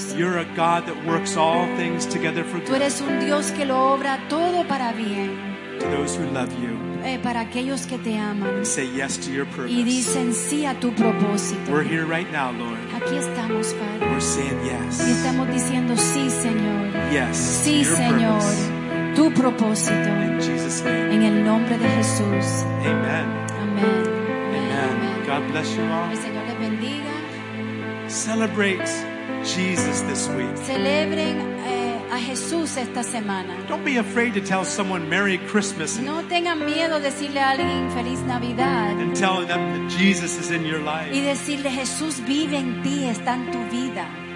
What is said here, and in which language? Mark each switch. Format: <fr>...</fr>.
<en>You're a God that works all things together for good.</en> <es>Tú eres un Dios que lo obra todo para bien.</es> <en>To those who love you,</en> <es>para aquellos que te aman,</es> <en>and say yes to your purpose,</en> <es>y dicen sí a tu propósito.</es> <en>We're here right now, Lord.</en> <es>Aquí estamos, Padre.</es> <en>We're saying yes.</en> <es>Y estamos diciendo sí, Señor.</es> <en>Yes.</en> <es>Sí,</es> <en>to your</en> <es>Señor.</es> <en>Purpose.</en> <es>Tu propósito.</es> <en>In Jesus' name.</en> <es>En el nombre de Jesús.</es> <en>Amen.</en> <es>Amen.</es> <en>Amen. Amen. God bless you all.</en> <es>El Señor les bendiga.</es> <en>Celebrate Jesus this week.</en> <es>Celebren a Jesús esta semana.</es> <en>Don't be afraid to tell someone Merry Christmas.</en> <es>No tengan miedo decirle a alguien Feliz Navidad.</es> <en>And tell them that Jesus is in your life.</en> <es>Y decirle Jesús vive en ti, está en tu vida.</es>